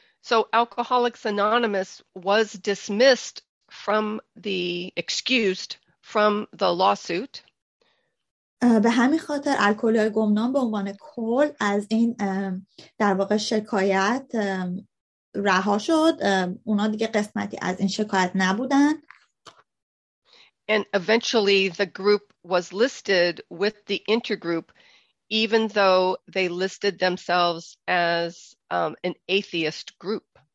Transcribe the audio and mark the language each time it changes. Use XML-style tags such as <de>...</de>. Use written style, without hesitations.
<en>So Alcoholics Anonymous was dismissed from the excused from the lawsuit.</en> <fa>به همین خاطر الکل‌های گمنام به عنوان کل از این در واقع شکایت رها شد، اونا دیگه قسمتی از این شکایت نبودن.</fa> <en>And eventually the group was listed with the intergroup even though they listed themselves as an atheist group.</en>